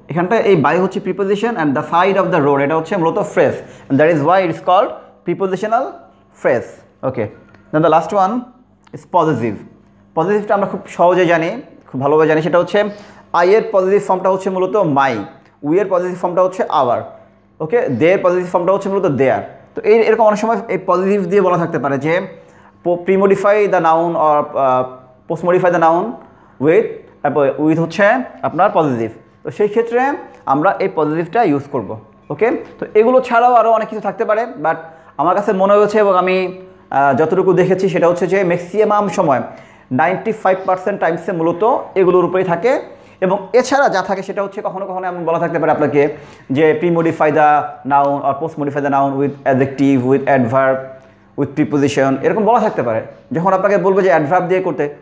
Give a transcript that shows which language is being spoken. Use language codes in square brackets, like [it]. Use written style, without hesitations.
[en] এখানটা by হচ্ছে preposition and the side of the road [bn] এটা হচ্ছে মূলত [en] phrase, and that is why it is called prepositional phrase. Okay, then the last one is possessive. [bn] Possessive টা আমরা খুব সহজে জানি, খুব ভালোভাবে জানি, সেটা হচ্ছে I এর possessive formটা হচ্ছে মূলত my, we এর possessive formটা হচ্ছে our. [en] Okay, their possessive formটা হচ্ছে মূলত their. [bn] তো এই এরকম অনেক সময় এই possessive দিয়ে বলা থাকতে পারে যে [en] pre-modify the noun or post-modify the noun with, [bn] with হচ্ছে আপনার possessive. তো সেই ক্ষেত্রে আমরা এই পজিটিভটা ইউজ করব. ওকে, তো এগুলো ছাড়াও আরো অনেক কিছু থাকতে পারে, বাট আমার কাছে মনে হচ্ছে এবং আমি যতটুকু দেখেছি সেটা হচ্ছে যে ম্যাক্সিমাম সময় 95% টাইমসে মূলত এগুলোর উপরেই থাকে, এবং এছাড়া যা থাকে সেটা হচ্ছে কখনো কখনো এমন বলা থাকতে পারে আপনাকে যে [en] premodify the noun or postmodify the noun with adjective with adverb with preposition, [bn] এরকম বলা থাকতে পারে যখন আপনাকে বলবে যে অ্যাডভার্ব দিয়ে করতে.